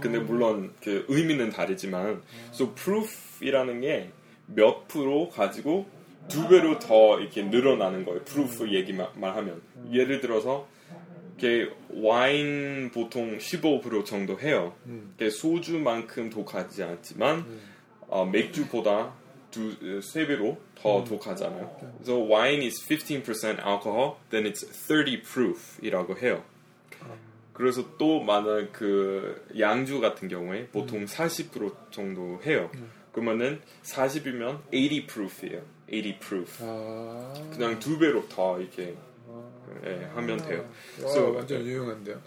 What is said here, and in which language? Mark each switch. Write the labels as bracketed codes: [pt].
[ko] 근데 물론 그 의미는 다르지만 So proof이라는 게 몇 프로 가지고 두 배로 더 이렇게 늘어나는 거예요. proof 얘기만 하면. 예를 들어서 이렇게 와인 보통 15% 정도 해요. 이렇게 소주만큼 독하지 않지만 맥주보다 세 배로 더 독하잖아요. [en] So wine is 15% alcohol, then it's 30 proof이라고 해요. [ko] 그래서 또 만약 그 양주 같은 경우에 보통 40% 정도 해요. 그러면은 40이면 80 proof이에요. 80 proof. 아~ 그냥 두 배로 더 이렇게 예, 하면 돼요. 와, so, 완전 유용한데요.